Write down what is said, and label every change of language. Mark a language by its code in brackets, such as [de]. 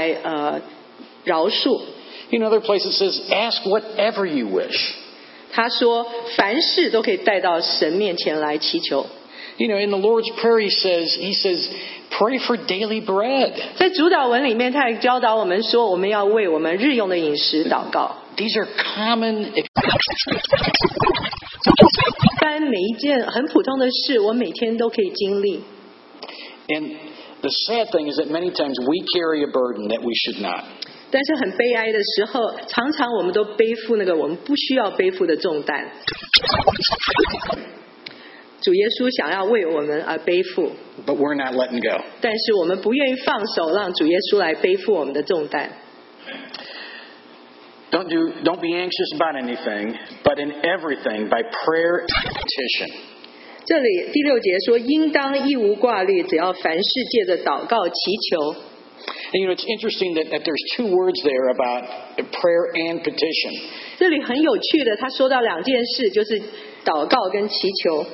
[zh] 他在路加福音十一章里面说，我们要如何来饶恕。 [en] In other places it says, ask whatever you wish. [zh] 他说，凡事都可以带到神面前来祈求。 [en] You know, in the Lord's Prayer, he says, pray for daily bread. [zh] 在主导文里面，他也教导我们说，我们要为我们日用的饮食祷告。 [en] These are common. [zh] 但每一件很普通的事，我每天都可以经历。 [en] And the sad thing is that many times we carry a burden that we should not. [zh] 但是很悲哀的时候，常常我们都背负那个我们不需要背负的重担。主耶稣想要为我们而背负， [en] but we're not letting go. [zh] 但是我们不愿意放手，让主耶稣来背负我们的重担。 [en] Don't be anxious about anything, but in everything by prayer and petition. [zh] 这里第六节说，应当一无挂虑，只要凡事借着祷告祈求。 [en] And you know, it's interesting that there's two words there about prayer and petition. [zh] 这里很有趣的，他说到两件事，就是祷告跟祈求。